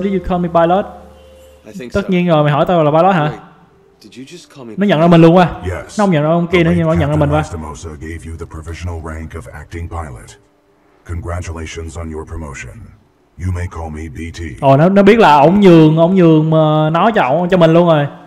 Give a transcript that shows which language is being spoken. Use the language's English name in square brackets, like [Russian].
[English] Did you call me pilot? I think so. [Vietnamese] Tất nhiên rồi, mày hỏi tao là pilot hả? Did you just call me? Nó nhận ra mình luôn qua. [English] Yes. [Vietnamese] Nó không nhận ra ông kia nữa nhưng mà nhận ra mình qua. [English] Lastimosa gave you the provisional rank of acting pilot. Congratulations on your promotion. You may call me BT. [Vietnamese] Ồ, nó biết là ổng nhường mà nói cho ổng cho mình luôn rồi.